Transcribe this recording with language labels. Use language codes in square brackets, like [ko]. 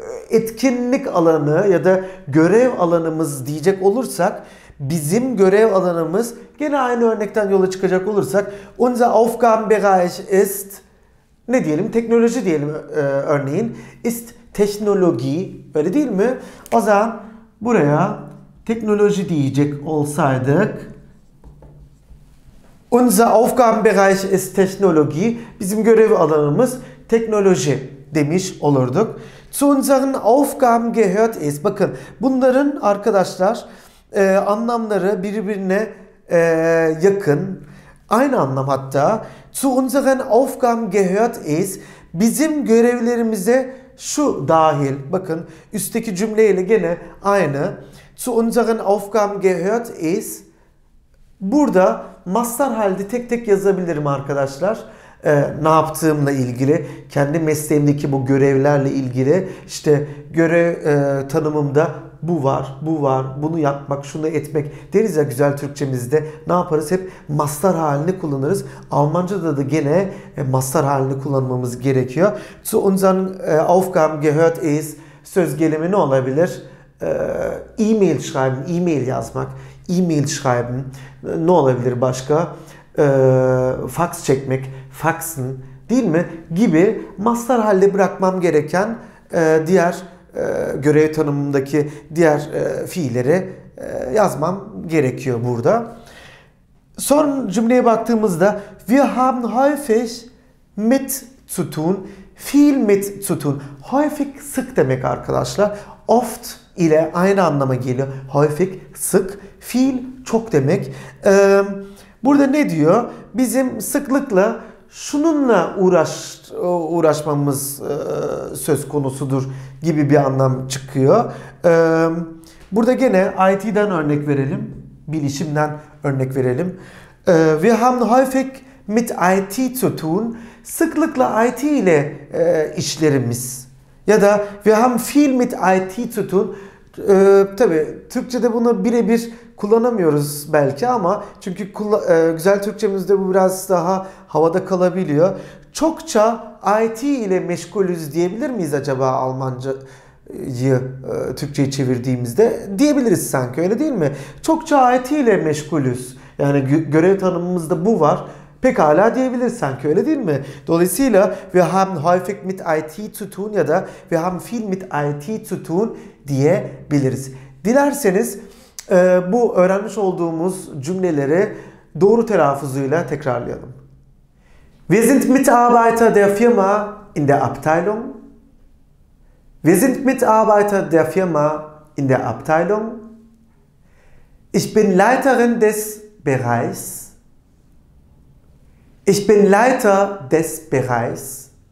[tr] etkinlik alanı ya da görev alanımız diyecek olursak, bizim görev alanımız, gene aynı örnekten yola çıkacak olursak, [de] unser Aufgabenbereich ist, [tr] ne diyelim, teknoloji diyelim örneğin, [de] ist Technologie, [tr] öyle değil mi? O zaman buraya teknoloji diyecek olsaydık, [de] unser Aufgabenbereich ist Technologie, [tr] bizim görev alanımız teknoloji demiş olurduk. [de] Zu unseren Aufgaben gehört es. [tr] Bakın bunların arkadaşlar anlamları birbirine yakın. Aynı anlam hatta. [de] Zu unseren Aufgaben gehört es. [tr] Bizim görevlerimize şu dahil. Bakın üstteki cümleyle gene aynı. [de] Zu unseren Aufgaben gehört es. [tr] Burada mastar halde tek tek yazabilirim arkadaşlar. Ne yaptığımla ilgili, kendi mesleğimdeki bu görevlerle ilgili, işte görev tanımımda bu var, bu var, bunu yapmak, şunu etmek deriz ya güzel Türkçemizde. Ne yaparız? Hep mastar halini kullanırız. Almanca'da da gene mastar halini kullanmamız gerekiyor. [de] Zu unseren Aufgaben gehört es, [tr] söz gelimi ne olabilir? [de] E-mail schreiben, e-mail yazmak, e-mail schreiben, ne olabilir başka? [tr] Fax çekmek, faxen, değil mi? Gibi mastar halde bırakmam gereken diğer görev tanımındaki diğer fiilleri yazmam gerekiyor burada. Son cümleye baktığımızda [de] wir haben häufig mit zu tun, viel mit zu tun. [tr] Häufig sık demek arkadaşlar. Oft ile aynı anlama geliyor. Häufig sık, viel çok demek. Burada ne diyor? Bizim sıklıkla şununla uğraşmamız söz konusudur gibi bir anlam çıkıyor. Burada gene IT'den örnek verelim. Bilişimden örnek verelim. [de] Wir haben häufig mit IT zu tun. [tr] Sıklıkla IT ile işlerimiz. Ya da [de] wir haben viel mit IT zu tun. [tr] Tabii Türkçe'de bunu birebir kullanamıyoruz belki ama çünkü güzel Türkçemizde bu biraz daha havada kalabiliyor. Çokça IT ile meşgulüz diyebilir miyiz acaba Almanca'yı Türkçe'ye çevirdiğimizde? Diyebiliriz sanki, öyle değil mi? Çokça IT ile meşgulüz. Yani görev tanımımızda bu var. Pekala diyebiliriz sanki, öyle değil mi? Dolayısıyla [de] wir haben häufig mit IT zu tun [tr] ya da [de] wir haben viel mit IT zu tun [tr] diyebiliriz. Dilerseniz bu öğrenmiş olduğumuz cümleleri doğru telaffuzuyla tekrarlayalım. [de] Wir sind Mitarbeiter der Firma in der Abteilung. Wir sind Mitarbeiter der Firma in der Abteilung. Ich bin Leiterin des Bereichs. Ich bin Leiter des Bereichs.